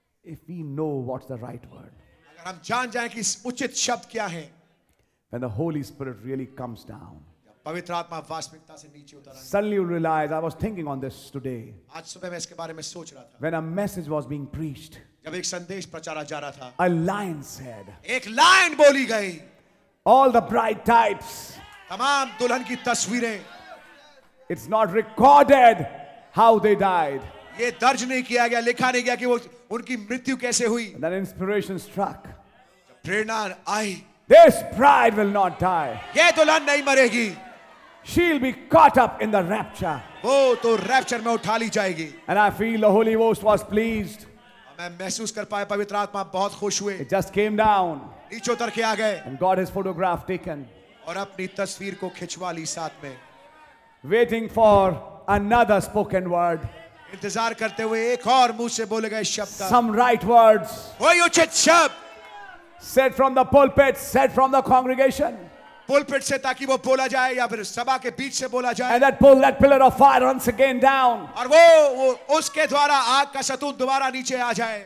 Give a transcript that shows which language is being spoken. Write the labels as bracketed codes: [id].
[en] If we know what's the right word. [hi] अगर हम जान जाएं कि उचित शब्द क्या है. [en] When the Holy Spirit really comes down. [hi] पवित्र आत्मा वास्तविकता से नीचे उतर आए. [en] Suddenly you realize I was thinking on this today. [hi] आज सुबह मैं इसके बारे में सोच रहा था. [en] When a message was being preached. [hi] जब एक संदेश प्रचारा जा रहा था. [en] A lion said. [hi] एक लायन बोली गई. [en] All the bright types. [hi] तमाम दुल्हन की तस्वीरें. [en] It's not recorded how they died. [hi] ये दर्ज नहीं किया गया, लिखा नहीं गया कि वो उनकी मृत्यु कैसे हुई. [en] That inspiration struck. [hi] Prerna I. [en] This bride will not die. [hi] ये दुल्हन नहीं मरेगी. [en] She'll be caught up in the rapture. [hi] वो तो rapture में उठा ली जाएगी. [en] And I feel the Holy Ghost was pleased. [hi] मैं महसूस कर पाया पवित्र आत्मा बहुत खुश हुए. [en] It just came down. [hi] नीचे उतर के आ गए. [en] And got his photograph taken. [hi] और अपनी तस्वीर को खिंचवा ली साथ में. [en] Waiting for another spoken word. [hi] इंतजार करते हुए एक और मुंह से बोले गए शब्द का. [en] Some right words. [hi] वही उचित शब्द. [en] Said from the pulpit, said from the congregation. [hi] Pulpit से ताकि वो बोला जाए या फिर सभा के बीच से बोला जाए. [en] And that pillar of fire once again down. [hi] और वो उसके द्वारा आग का सतून दोबारा नीचे आ जाए.